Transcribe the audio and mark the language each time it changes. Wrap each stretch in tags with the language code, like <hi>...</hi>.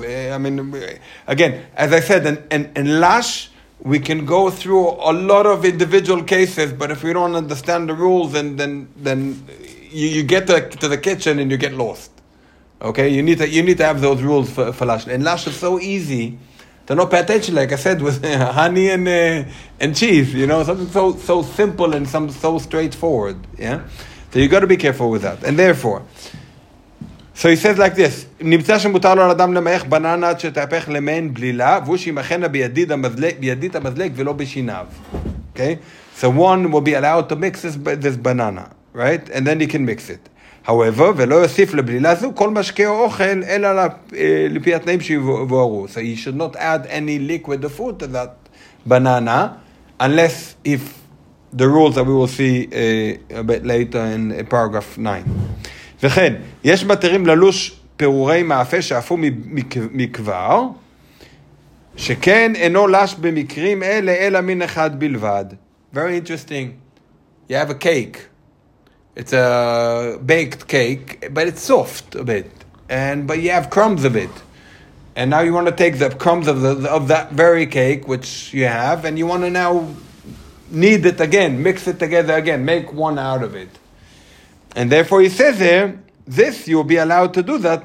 <en>I mean, again, as I said, in Lash, we can go through a lot of individual cases, but if we don't understand the rules, then you get to the kitchen and you get lost. Okay? You need to have those rules for Lash. And Lash is so easy to not pay attention, like I said, with honey and cheese, you know? Something so simple and some so straightforward, yeah? So you got to be careful with that. And therefore, so he says like this,</en> <he>נמצא שמותר לו על אדם למאך בננה עד שתהפך למעין בלילה, והוא שימכנה בידית המזלג ולא בשיניו.</he> <en>Okay? So one will be allowed to mix this banana, right? And then he can mix it.</en> <he>However, ולא יוסיף לבלילה זו כל משקה או אוכל, אלא לפי התנאים שיבוארו.</he> <en>So he should not add any liquid of food to that banana, unless if... The rules that we will see a bit later in paragraph 9.</en> <he>וכן, יש מתירים ללוש פירורי מאפה שאפו מכבר, שכן אינו לש במקרים אלה, אלא מין אחד בלבד.</he> <en>Very interesting. You have a cake. It's a baked cake, but it's soft a bit. But you have crumbs of it. And now you want to take the crumbs of that very cake, which you have, and you want to now... Knead it again, mix it together again, make one out of it. And therefore he says here, this you'll be allowed to do that.</en>